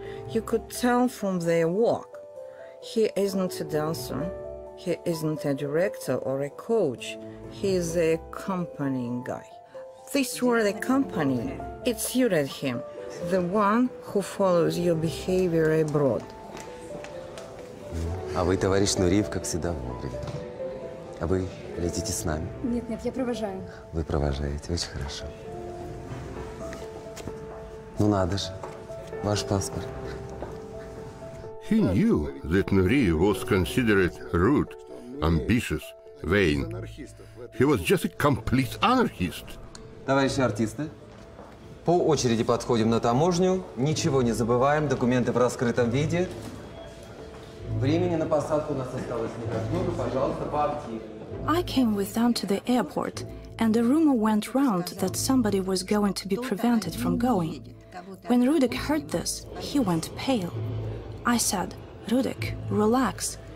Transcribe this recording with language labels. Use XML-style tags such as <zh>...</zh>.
<en>You could tell from their walk. He isn't a dancer, he isn't a director or a coach, he's an accompanying guy. This word accompanying, it suited him, the one who follows your behavior abroad.</en> <ru>А вы, товарищ Нуриев, как всегда, вовремя. А вы летите с нами? Нет, нет, я провожаю. Вы провожаете, очень хорошо. Ну надо же, ваш паспорт.</ru> <en>He knew that Nureyev was considered rude, ambitious, vain. He was just a complete anarchist.</en> <ru>Товарищи артисты, по очереди подходим на таможню. Ничего не забываем, документы в раскрытом виде.</ru> <en>I came with them to the airport, and a rumor went round that somebody was going to be prevented from going. When Rudik heard this, he went pale. I said, Rudik, relax.</en>